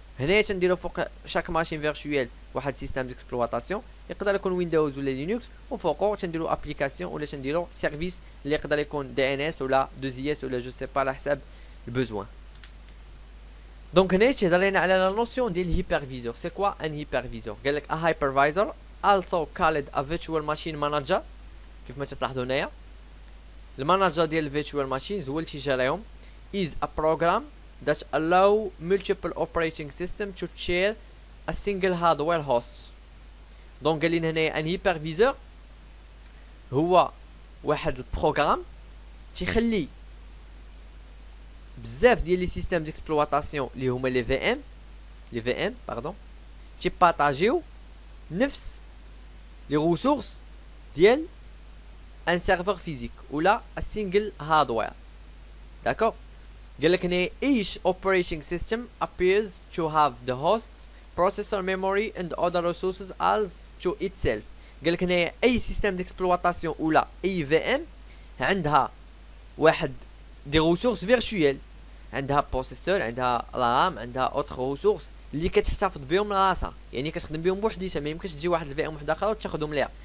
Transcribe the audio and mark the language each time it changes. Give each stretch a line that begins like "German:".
Arabic: هنا تنديرو فوق شاك ماشين فيرتوييل واحد سيستم ديكسبلواتاسيون، يقدر يكون ويندوز ولا لينكس، وفوقو تنديرو ابليكاسيون ولا تنديرو سيرفيس اللي يقدر يكون دي ان اس ولا دوزي اس ولا جو سي با على حساب البوزوان. دونك هنا تيهضر لينا على لا نوسيون ديال هايبرفايزور. سي كوا ان هايبرفايزور؟ قال لك ا هايبرفايزور
English: also called a virtual machine manager.
Arabic: كيف ما تلاحظوا هنايا المانجر ديال الفيرتوال ماشينز هو اللي تيجريهم.
English: Is a program that allow multiple operating system to share a single hardware host.
Arabic: دونك قال لنا هنا ان هايبرفايزور هو واحد البروغرام تيخلي بزاف ديال لي سيستيم ديكسبلواتاسيون اللي هما لي في ام باردون تي باتاجيو نفس لي ريسورس ديال ان سيرفر فيزيك ولا ا سينجل هاردوير. داكوغ. قال لك هنا
English: each operating system appears to have the host's processor memory and other resources as to itself.
Arabic: قال لك هنا اي سيستم ديكسبلواتاسيون ولا اي في ام عندها واحد دي ريسورس فيرتوييل، عندها بروسيسور، عندها رام، عندها اوتر ريسورس اللي كتحتفظ بهم راسها، يعني كتخدم بهم بوحديتها، ما يمكنش تجي واحد الفي ام وحده اخرى وتاخذهم ليها.